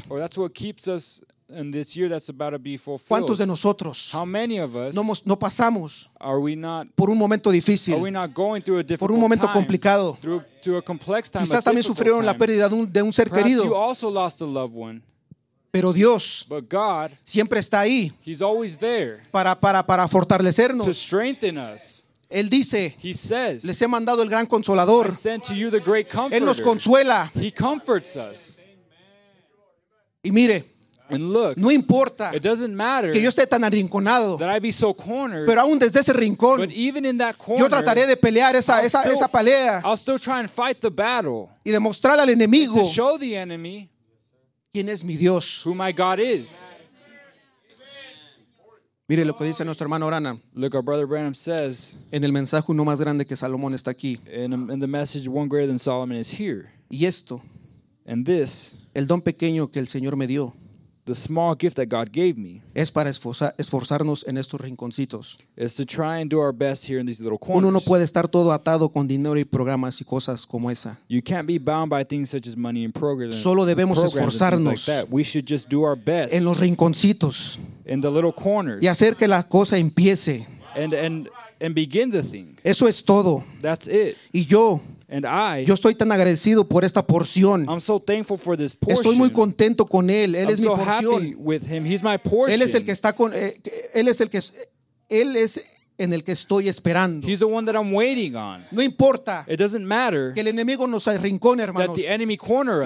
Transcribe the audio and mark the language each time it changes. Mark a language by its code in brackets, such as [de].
[en] Or that's what keeps us in this year that's about to be fulfilled. [es] ¿Cuántos de nosotros? [en] How many of us? [es] No pasamos. [en] Are we not? [es] Por un momento difícil. [en] Are we not going through a difficult time? [es] Por un momento complicado. [en] Through a complex time. [es] Quizás también sufrieron la pérdida de un ser querido. [en] Perhaps you also lost a loved one. [es] Pero Dios, [en] but God, [es] siempre está ahí, [en] he's always there, [es] para fortalecernos, [en] to strengthen us. [es] Él dice, [en] he says, [es] les he mandado el gran consolador, [en] I sent to you the great comforter. [es] Él nos consuela, [en] he comforts us. [es] Y mire, [en] and look, [es] no importa, [en] it doesn't matter, [es] que yo esté tan arrinconado, [en] that I be so cornered, [es] pero aún desde ese rincón, [en] but even in that corner, [es] yo trataré de pelear esa pelea, [en] I'll still try and fight the battle, [es] y demostrar al enemigo, [en] to show the enemy, [es] ¿quién es mi Dios? [en] Who my God is. [es] Mire lo que dice nuestro hermano Branham. [en] Look, our brother Branham says, [es] en el mensaje uno más grande que Salomón está aquí. [en] In the message one greater than Solomon is here. [es] Y esto. [en] And this. [es] El don pequeño que el Señor me dio. [en] The small gift that God gave me. [es] Es para esforzarnos en estos rinconcitos. [en] Is to try and do our best here in these little corners. [es] Uno no puede estar todo atado con dinero y programas y cosas como esa. [en] You can't be bound by things such as money and programs. [es] Solo debemos esforzarnos. [en] Like we should just do our best. [es] En los rinconcitos. [en] In the little corners. [es] Y hacer que la cosa empiece. [en] And begin the thing. [es] Eso es todo. [en] That's it. [es] Y yo. [en] And I, [es] yo estoy tan agradecido por esta porción. [en] I'm so thankful for this portion. [es] Estoy muy contento con él. Él [en] I'm [es] es [en] so [es] mi porción. [en] Happy with him. He's my portion. [es] Él es el que está con. Él es el que. Él es en el que estoy esperando. [en] He's the one that I'm waiting on. [es] No importa. [en] It doesn't matter. [es] Que el enemigo nos arrincone, hermanos. [en] That the enemy corner us.